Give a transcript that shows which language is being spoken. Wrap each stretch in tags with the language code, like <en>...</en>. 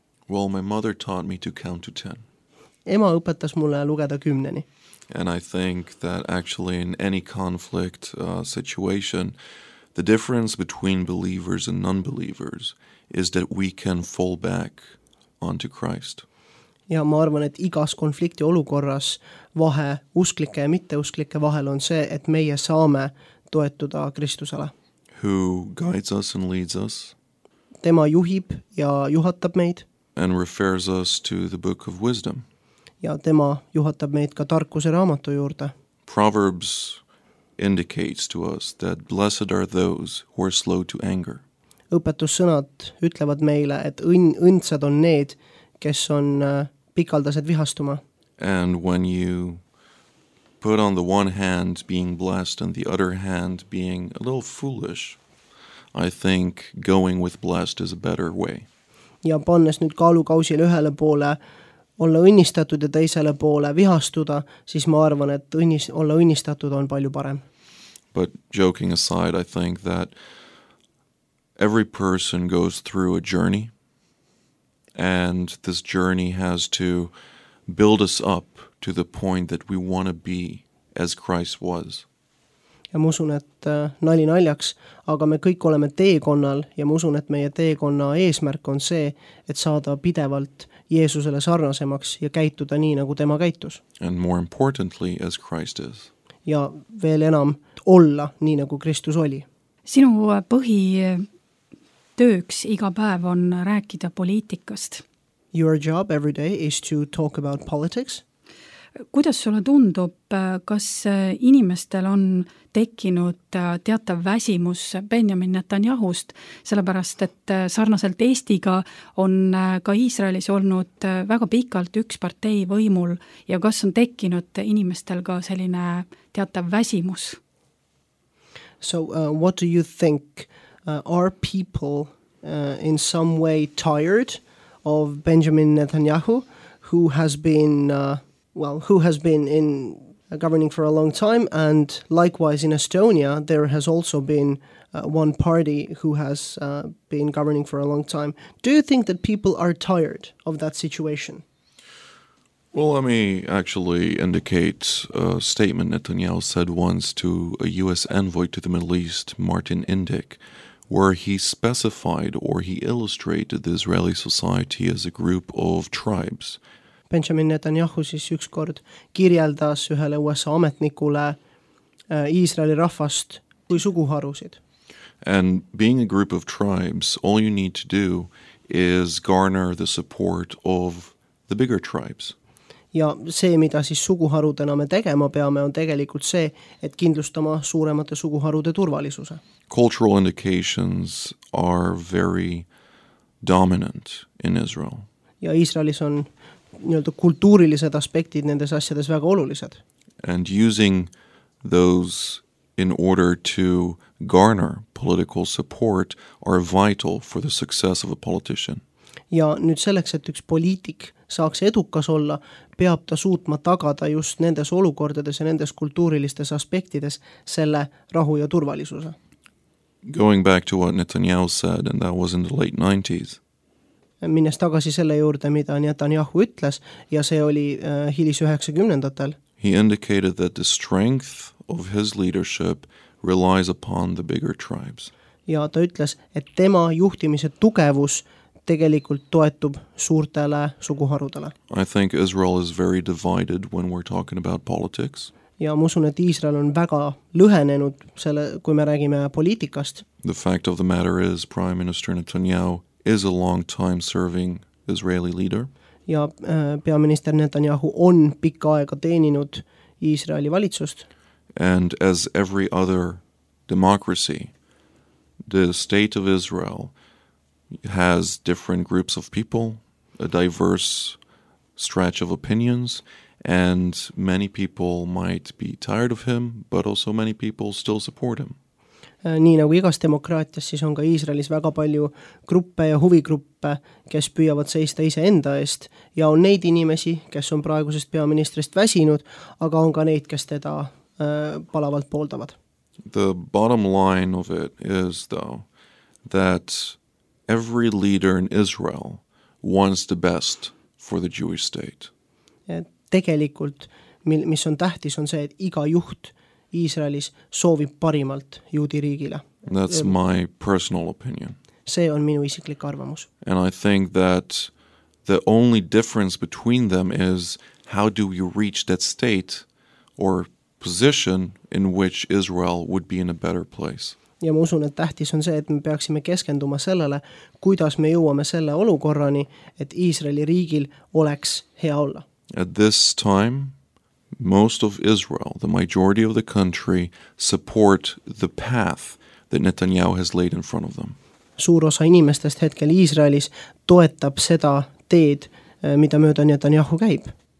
<en>Well, my mother taught me to count to 10.</en> <et>Ema õpetas mulle lugeda kümneni.</et> <en>And I think that actually in any conflict situation, the difference between believers and non-believers is that we can fall back onto Christ.</en> <et>Ja ma arvan, et igas konflikti olukorras vahe usklike ja mitteusklike vahel on see, et meie saame toetuda Kristusele.</et> <en>Who guides us and leads us.</en> <et>Tema juhib ja juhatab meid.</et> <en>And refers us to the book of wisdom.</en> <et>Ja tema juhatab meid ka tarkuse raamatu juurde.</et> <en>Proverbs indicates to us that blessed are those who are slow to anger.</en> <et>Õpetussõnad ütlevad meile, et õndsad on need, kes on pikaldased vihastuma.</et> <en>And when you put on the one hand being blessed and the other hand being a little foolish, I think going with blessed is a better way.</en> <et>Ja pannes nüüd kaalukausil ühele poole olla õnnistatud ja teisele poole vihastuda, siis ma arvan, et olla õnnistatud on palju parem.</et> <en>But joking aside, I think that every person goes through a journey and this journey has to build us up to the point that we want to be as Christ was.</en> <et>Ja ma usun, et nali naljaks, aga me kõik oleme teekonnal ja ma usun, et meie teekonna eesmärk on see, et saada pidevalt Jeesusele sarnasemaks ja käituda nii, nagu tema käitus.</et> <en>And more importantly, as Christ is.</en> <et>Ja veel enam olla nii, nagu Kristus oli. Sinu põhi tööks iga päev on rääkida poliitikast.</et> <en>Your job every day is to talk about politics.</en> <et>Kuidas sulle tundub, kas inimestel on tekinud teatav väsimus Benjamin Netanyahust, sellepärast, et sarnaselt Eestiga on ka Iisraelis olnud väga pikalt üks partei võimul ja kas on tekinud inimestel ka selline teatav väsimus?</et> <en>So, what do you think? Are people in some way tired of Benjamin Netanyahu, who has been who has been in governing for a long time, and likewise in Estonia, there has also been one party who has been governing for a long time. Do you think that people are tired of that situation? Well, let me actually indicate a statement Netanyahu said once to a U.S. envoy to the Middle East, Martin Indyk, where he specified or he illustrated the Israeli society as a group of tribes.</en> <et>Benjamin Netanyahu siis ükskord kirjeldas ühele USA ametnikule Iisraeli rahvast kui suguharusid.</et> <en>And being a group of tribes, all you need to do is garner the support of the bigger tribes.</en> <et>Ja see, mida siis suguharudena me tegema peame, on tegelikult see, et kindlustama suuremate suguharude turvalisuse.</et> <en>Cultural indications are very dominant in Israel.</en> <et>Ja Iisraelis on nii-öelda kultuurilised aspektid nendes asjades väga olulised.</et> <en>And using those in order to garner political support are vital for the success of a politician.</en> <et>Ja nüüd selleks, et üks poliitik saaks edukas olla, peab ta suutma tagada just nendes olukordades ja nendes kultuurilistes aspektides selle rahu ja turvalisuse.</et> <en>Going back to what Netanyahu said, and that was in the late 90s.</en> <et>Minnes tagasi selle juurde, mida Netanyahu ütles, ja see oli hilis 90-ndatel.</et> <en>He indicated that the strength of his leadership relies upon the bigger tribes.</en> <et>Ja ta ütles, et tema juhtimise tugevus tegelikult toetub suurtele suguharudele.</et> <en>I think Israel is very divided when we're talking about politics.</en> <et>Ja ma usun, et Iisrael on väga lõhenenud selle, kui me räägime poliitikast.</et> <en>The fact of the matter is Prime Minister Netanyahu is a long time serving Israeli leader.</en> <et>Ja peaminister Netanyahu on pikka aega teeninud Iisraeli valitsust.</et> <en>And as every other democracy, the state of Israel has different groups of people, a diverse stretch of opinions, and many people might be tired of him, but also many people still support him.</en> <et>Nii nagu igas demokraatias, siis on ka Iisraelis väga palju gruppe ja huvigruppe, kes püüavad seista ise enda eest, ja on neid inimesi, kes on praegusest peaministrist väsinud, aga on ka neid, kes teda palavalt pooldavad.</et> <en>The bottom line of it is, though, that every leader in Israel wants the best for the Jewish state.</en> <et>Tegelikult, mis on tähtis, on see, et iga juht Iisraelis soovib parimalt juudi riigile.</et> <en>That's my personal opinion.</en> <et>See on minu isiklik arvamus.</et> <en>And I think that the only difference between them is how do you reach that state or position in which Israel would be in a better place.</en> <et>Ja ma usun, et tähtis on see, et me peaksime keskenduma sellele, kuidas me jõuame selle olukorrani, et Iisraeli riigil oleks hea olla.</et> <en>At this time, most of Israel, the majority of the country, support the path that Netanyahu has laid in front of them.</en> <et>Suur osa inimestest hetkel Iisraelis toetab seda teed, mida mööda Netanyahu käib.</et>